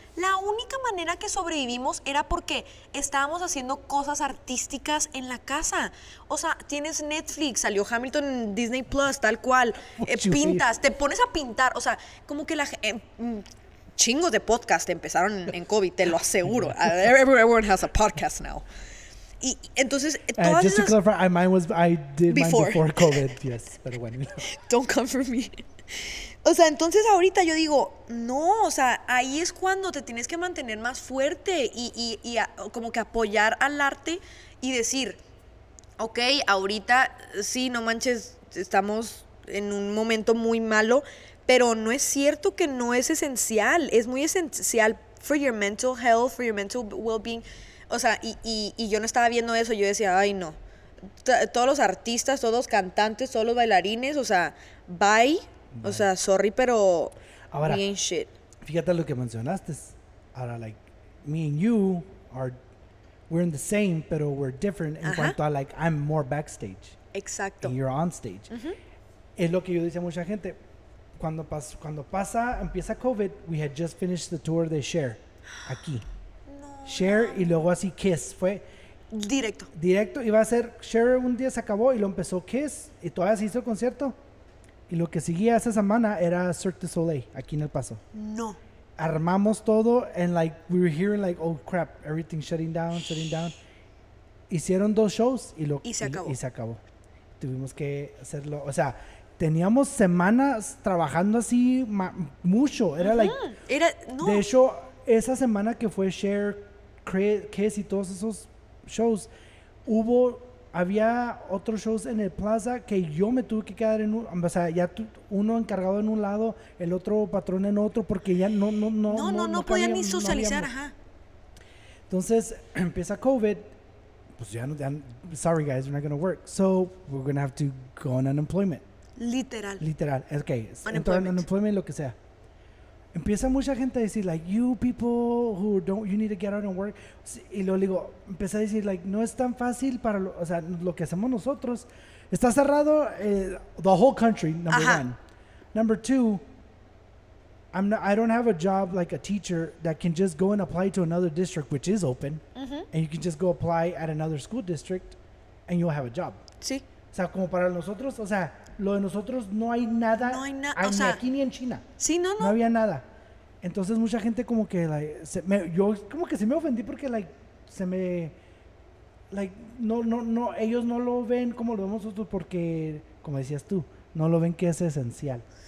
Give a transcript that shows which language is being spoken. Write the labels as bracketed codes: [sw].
[es] La única manera que sobrevivimos era porque estábamos haciendo cosas artísticas en la casa. O sea, tienes Netflix, salió Hamilton en Disney Plus, tal cual. Pintas, te pones a pintar. O sea, como que la chingos de podcast empezaron en COVID, te lo aseguro. [en] Everyone has a podcast now. [es] Y entonces, [en] todas just to clarify, mine was, I did before. Mine before COVID, yes. [es] Pero bueno. [en] Don't come for me. [es] O sea, entonces ahorita yo digo, no, o sea, ahí es cuando te tienes que mantener más fuerte y como que apoyar al arte y decir, ok, ahorita sí, no manches, estamos en un momento muy malo, pero no es cierto que no es esencial, es muy esencial [en] for your mental health, for your mental well-being. [es] O sea, y yo no estaba viendo eso, yo decía, ay, no, todos los artistas, todos los cantantes, todos los bailarines, o sea, bye. Bueno. O sea, sorry, pero [en] ahora, we ain't shit. [es] Fíjate lo que mencionaste. Ahora, [en] like, me and you we're in the same, pero we're different. Ajá. [es] En cuanto a, [en] like, I'm more backstage. [es] Exacto. [en] And you're on stage. Uh-huh. [es] Es lo que yo decía a mucha gente. Cuando empieza [en] COVID, we had just finished the tour de Cher. [es] Aquí. No. Cher y luego así Kiss. Fue directo. Directo. Iba a ser Cher, un día se acabó y lo empezó Kiss y todavía se hizo el concierto. Y lo que seguía esa semana era Cirque du Soleil, aquí en El Paso. No. Armamos todo, [en] and like, we were hearing like, oh crap, everything shutting down. [es] Hicieron dos shows y se acabó. Tuvimos que hacerlo, o sea, teníamos semanas trabajando así mucho. Era uh-huh. like, era, no. De hecho, esa semana que fue Cher, Kiss y todos esos shows, había otros shows en el plaza que yo me tuve que quedar en un... O sea, ya uno encargado en un lado, el otro patrón en otro, porque ya no podían ni socializar, no habíamos. Ajá. Entonces, empieza COVID, pues ya no, [en] sorry guys, we're not gonna work. So, we're gonna have to go on unemployment. [es] Literal. Literal, okay. Unemployment. Entrar en unemployment, lo que sea. empieza mucha gente a decir, [en] like, you people who don't, you need to get out and work. [es] Y luego digo, empieza a decir, like, no es tan fácil para, lo, o sea, lo que hacemos nosotros. Está cerrado [en] the whole country, number Ajá. one. Number two, I don't have a job like a teacher that can just go and apply to another district, which is open. Mm-hmm. And you can just go apply at another school district and you'll have a job. [es] Sí. O sea, como para nosotros, o sea, lo de nosotros no hay nada, no hay na- o ni sea, aquí ni en China. Sí, no, no. No había nada. Entonces mucha gente como que, like, se me, yo como que se me ofendí porque, like, se me, like, no, no, no, ellos no lo ven como lo vemos nosotros porque, como decías tú, no lo ven que es esencial.